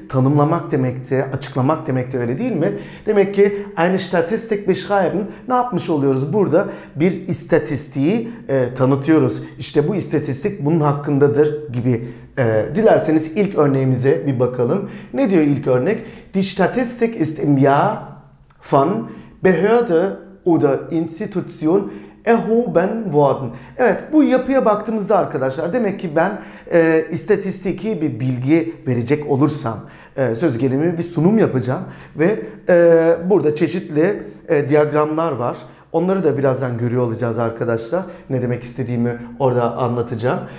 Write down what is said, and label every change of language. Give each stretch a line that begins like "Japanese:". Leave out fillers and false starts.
Turkish: Tanımlamak demekti, açıklamak demekti, öyle değil mi? Demek ki aynı
German: Statistik Beschreiben
Turkish: ne yapmış oluyoruz? Burada bir istatistiği tanıtıyoruz. İşte bu istatistik bunun hakkındadır gibi. Dilerseniz ilk örneğimize bir bakalım. Ne diyor ilk örnek?
German: Die Statistik ist im Jahr von Behörde oder Institution erhoben worden.
Turkish: Evet, bu yapıya baktığımızda arkadaşlar, demek ki ben istatistiki bir bilgi verecek olursam, söz gelimi bir sunum yapacağım ve burada çeşitli diyagramlar var. Onları da birazdan görüyor olacağız arkadaşlar. Ne demek istediğimi orada anlatacağım.